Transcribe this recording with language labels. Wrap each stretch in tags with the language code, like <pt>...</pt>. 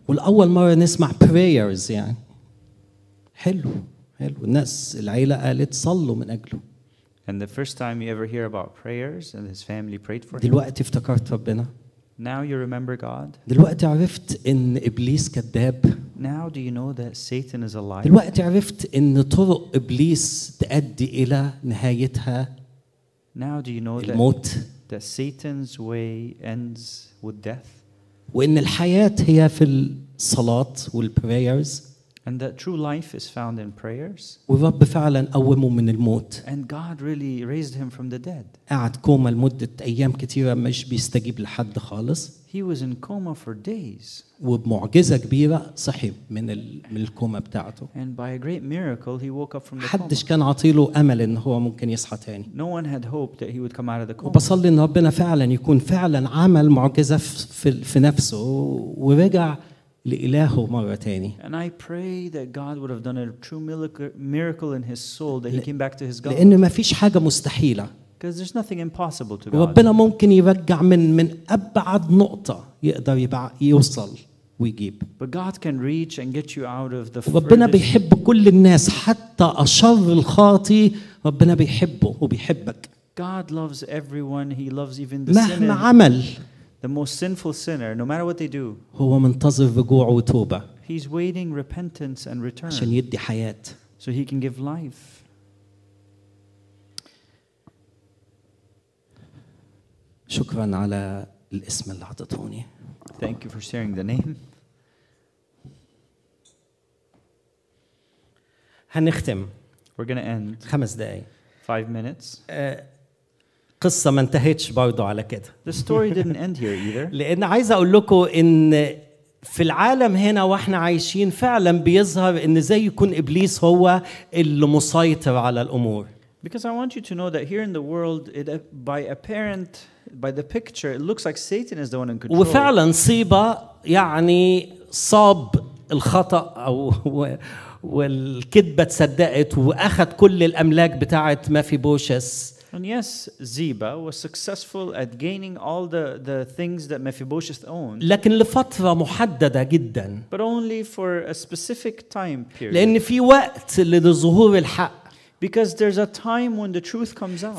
<ar>والأول مرة نسمع prayers يعني. حلو. الناس العيلة قالت صلوا من أجله.</ar> <en>And the first time you ever hear about prayers and his family prayed for him.</en> <ar>دلوقتي افتكرت ربنا.</ar> <en>Now you remember God.</en> <ar>دلوقتي عرفت إن إبليس كذاب.</ar> <en>Now do you know that Satan is a liar.</en> <ar>دلوقتي عرفت إن طرق إبليس تؤدي إلى نهايتها.</ar> <en>Now do you know</en> <ar>الموت.</ar> <en>That Satan's way ends with death?</en> <ar>وإن الحياة هي في الصلاة والprayers.</ar> <en>And that true life is found in prayers.</en> <ar>والرب فعلا قومه من الموت.</ar> <en>And God really raised him from the dead.</en> <ar>قعد كوما لمدة أيام كتيرة مش بيستجيب لحد خالص.</ar> <en>He was in coma for days.</en> <ar>وبمعجزة كبيرة صحي من الكوما بتاعته.</ar> <en>And by a great miracle, he woke up from the</en> <ar>coma. حدش كان عطيله أمل إن هو ممكن يصحى تاني.</ar> <en>No one had hope that he would come out of the coma.</en> <ar>وبصلي إن ربنا فعلا يكون فعلا عمل معجزة في نفسه ورجع لإلهه مرة تاني.</ar> <en>And I pray that God would have done a true miracle in his soul that he came back to his God.</en> <ar>لأن ما فيش حاجة مستحيلة.</ar> <en>Because there's nothing impossible to God.</en> <ar>ربنا ممكن يرجع من أبعد نقطة يقدر يوصل ويجيب.</ar> <en>But God can reach and get you out of the.</en> <ar>ربنا بيحب كل الناس حتى أشر الخاطي ربنا بيحبه وبيحبك.</ar> <en>God loves everyone. He loves even the.</en> <ar>مهما عمل.</ar> <en>The most sinful sinner, no matter what they do.</en> <ar>هو منتظر رجوع وتوبة.</ar> <en>He's waiting repentance and return.</en> <ar>عشان يدي حياة.</ar> <en>So he can give life.</en> <ar>شكرا على الاسم اللي عطتوني.</ar> <en>Thank you for sharing the name.</en> <ar>هنختم.</ar> <en>We're gonna end.</en> <ar>خمس دقايق.</ar> <en>5 minutes.</en> <ar>قصة ما انتهتش برضو على كده.</ar> <en>The story didn't end here either.</en> <ar>لأن عايز أقول لكم إن في العالم هنا وإحنا عايشين فعلا بيظهر إن زي يكون إبليس هو اللي مسيطر على الأمور.</ar> <en>Because I want you to know that here in the world, it, by apparent, by the picture, it looks like Satan is the one in control.</en> <ar>وفعلا صيبة يعني صاب الخطأ أو والكذبة تصدقت وأخذ كل الأملاك بتاعت مفيبوشس.</ar> <en>And yes, Ziba was successful at gaining all the things that Mephibosheth owned.</en> <ar>لكن لفترة محددة جدا.</ar> <en>But only for a specific time period.</en> <ar>لأن في وقت لظهور الحق.</ar> <en>Because there's a time when the truth comes out.</en>